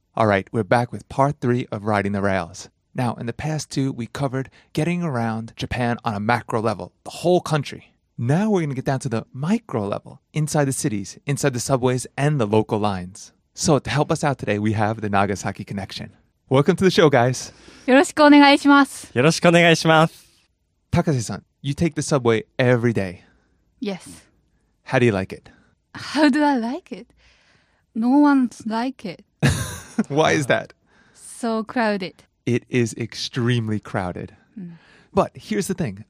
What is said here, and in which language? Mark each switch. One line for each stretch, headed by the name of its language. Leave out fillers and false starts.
English: All right, we're back with part 3 of Riding the Rails. Now, in the past 2, we covered getting around Japan on a macro level, the whole country. Now we're going to get down to the micro level, inside the cities, inside the subways, and the local lines. So to help us out today, we have the Nagasaki Connection. Welcome to the show, guys.
Japanese: よろしくお願いします。よろしくお願いします。
English: Takase-san, you take the subway every day. Yes. How do you like it? How do I like it? No one's like it. Why is that? So crowded. It is extremely crowded. But here's the thing.